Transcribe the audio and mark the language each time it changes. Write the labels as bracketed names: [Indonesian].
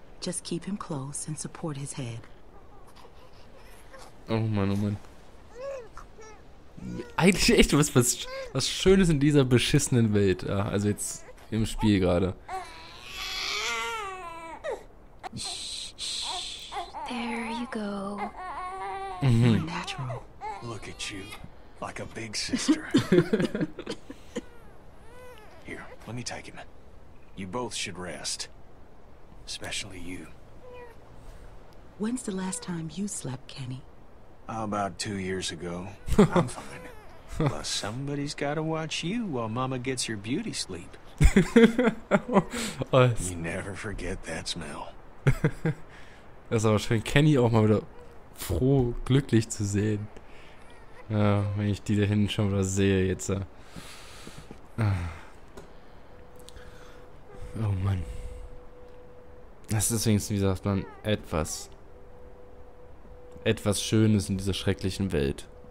[English] Just keep him close and support his head. [German] Oh Mann, oh Mann. Eigentlich echt was Schönes in dieser beschissenen Welt. Ja, also jetzt im Spiel gerade. [English] There you go. You're natural. Look at you, like a big sister. Here, let me take him. You both should rest. Especially you. When's the last time you slept, Kenny? About 2 years ago. I'm fine. Plus, somebody's gotta watch you while Mama gets your beauty sleep. You never forget that smell. [German] Das ist aber schön, Kenny auch mal wieder froh, glücklich zu sehen. Ja, wenn ich die da hinten schon wieder sehe jetzt. Oh Mann. Das ist wenigstens, wie sagt man, etwas Schönes in dieser schrecklichen Welt.